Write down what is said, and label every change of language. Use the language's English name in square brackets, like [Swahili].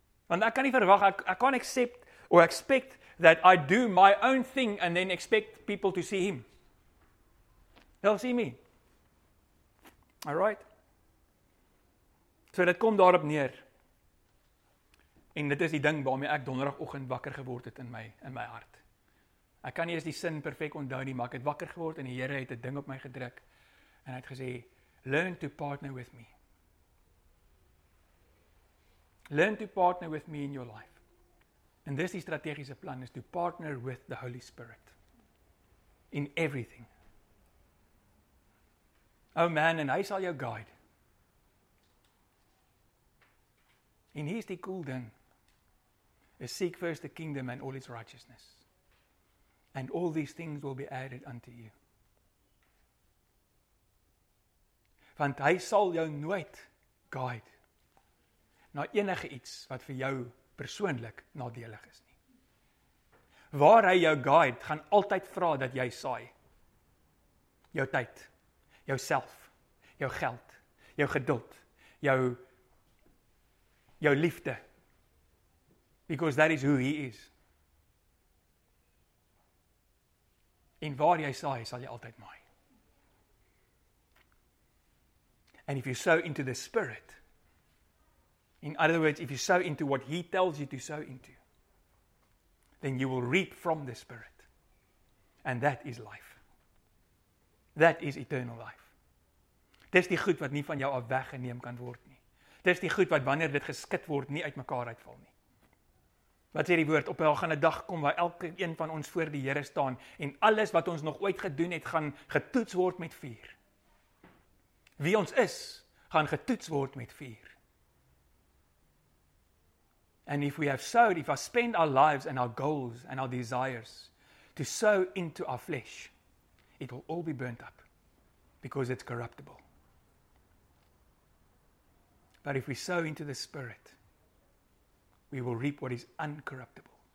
[Afrikaans] Want ek kan nie verwag, ek kan [English] accept or expect that I do my own thing and then expect people to see him. They'll see me. Alright? [Afrikaans] So dit kom daarop neer. En dit is die ding waarmee ek donderdagoggend wakker geword het in my hart. Ek kan nie eens die sin perfek onthou nie, maar ek het wakker geword en die Here het 'n ding op my gedruk en hy het gesê, [English] "Learn to partner with me." Learn to partner with me in your life. [Afrikaans] En dis die strategiese plan, [English] is to partner with the Holy Spirit. In everything. Oh man, and [Afrikaans] hy sal jou guide. En hier is die cool ding. [English] Is seek first the kingdom and all its righteousness. And all these things will be added unto you. [Afrikaans] Want hy sal jou nooit guide na enige iets wat vir jou persoonlik nadelig is nie. Waar hy jou guide, gaan altyd vra dat jy saai. Jou tyd, jouself, jou geld, jou geduld, jou liefde. [English] Because that is who he is. [Afrikaans] En waar jy saai, sal jy altyd maai. [English] And if you sow into the Spirit, in other words, if you sow into what he tells you to sow into, then you will reap from the Spirit. And that is life. That is eternal life. [Afrikaans] Dis die goed wat nie van jou af weggeneem kan word nie. Dis die goed wat wanneer dit geskit word, nie uitmekaar uitval nie. Wat sê die woord? Op hulle gaan 'n dag kom waar elke een van ons voor die Here staan en alles wat ons nog ooit gedoen het, gaan getoets word met vuur. Wie ons is, gaan getoets word met vuur. [English] And if we have sowed, if I spend our lives and our goals and our desires to sow into our flesh, it will all be burnt up because it's corruptible. But if we sow into the Spirit, we will reap what is uncorruptible.